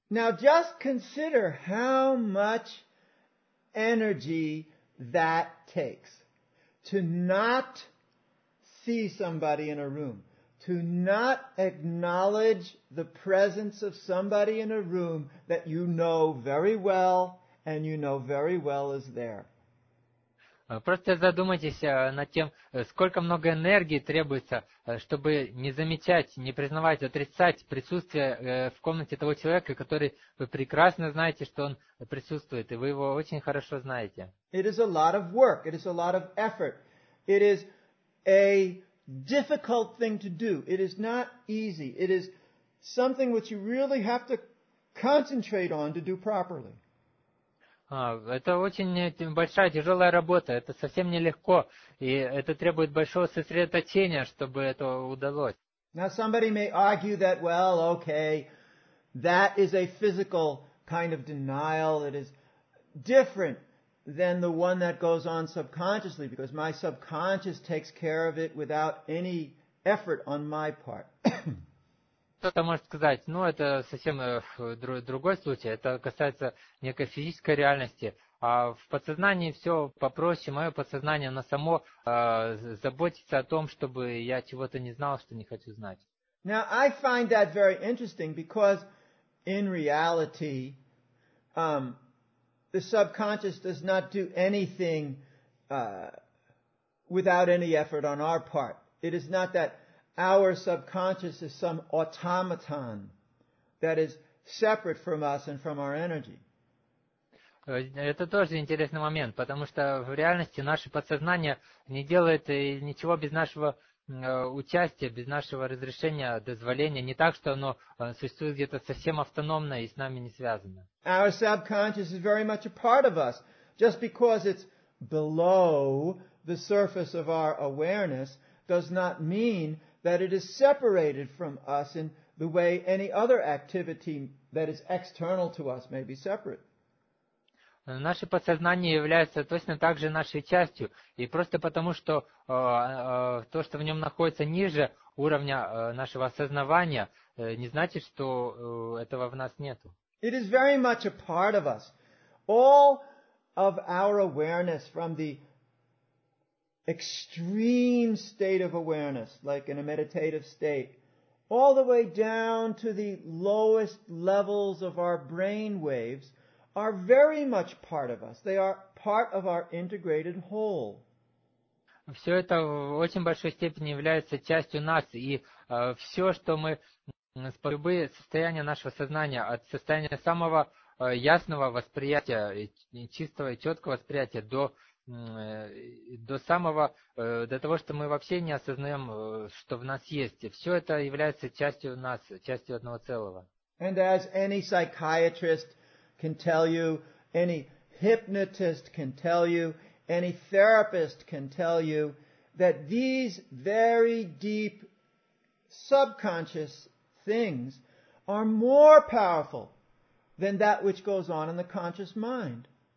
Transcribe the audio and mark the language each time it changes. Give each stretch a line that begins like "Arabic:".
English: Now just consider how much energy that takes to not see somebody in a room, to not acknowledge the presence of somebody in a room that you know very well and you know very well is there.
Russian: Просто задумайтесь над тем, сколько много энергии требуется, чтобы не замечать, не признавать, отрицать присутствие в комнате того человека, который вы прекрасно знаете, что он присутствует, и вы его очень хорошо знаете.
English: It is a lot of work. It is a lot of effort. It is a difficult thing to do. It is not easy. It is something which you really have to concentrate on to do properly.
Russian: Это очень большая, тяжелая работа. Это совсем нелегко. И это требует большого сосредоточения, чтобы это удалось.
English: Now somebody may argue that, well, okay, that is a physical kind of denial. It is different than the one that goes on subconsciously, because my subconscious takes care of it without any effort on my part.
Russian: Кто-то может сказать, ну, это совсем другой случай, это касается некой физической реальности. А в подсознании все попроще, мое подсознание, оно само заботится о том, чтобы я чего-то не знал, что не хочу знать.
English: Now, I find that very interesting, because in reality, the subconscious does not do anything without any effort on our part. It is not that our subconscious is some automaton that is separate from us and from our energy.
Russian: Это тоже интересный момент, потому что в реальности наше подсознание не делает ничего без нашего участия, без нашего разрешения, дозволения. Не так, что оно существует где-то совсем автономно и с нами не связано.
English: Our subconscious is very much a part of us. Just because it's below the surface of our awareness does not mean that it is separated from us in the way any other activity that is external to us may be separate.
Russian: Наше подсознание является точно так же нашей частью, и просто потому, что то, что в нем находится ниже уровня нашего осознавания, не значит, что этого в нас нету.
English: It is very much a part of us. All of our awareness from the extreme state of awareness, like in a meditative state, all the way down to the lowest levels of our brain waves, are very much part of us. They are part of our integrated whole.
Russian: Все это в очень большой степени является частью нас, и все, что мы, любые состояния нашего сознания, от состояния самого ясного восприятия, чистого и четкого восприятия, до того, что мы вообще не осознаем, что в нас есть. Все это является частью нас, частью одного целого.
English: And as any psychiatrist can tell you, any hypnotist can tell you, any therapist can tell you, that these very deep subconscious things are more powerful than that which goes on in the conscious mind.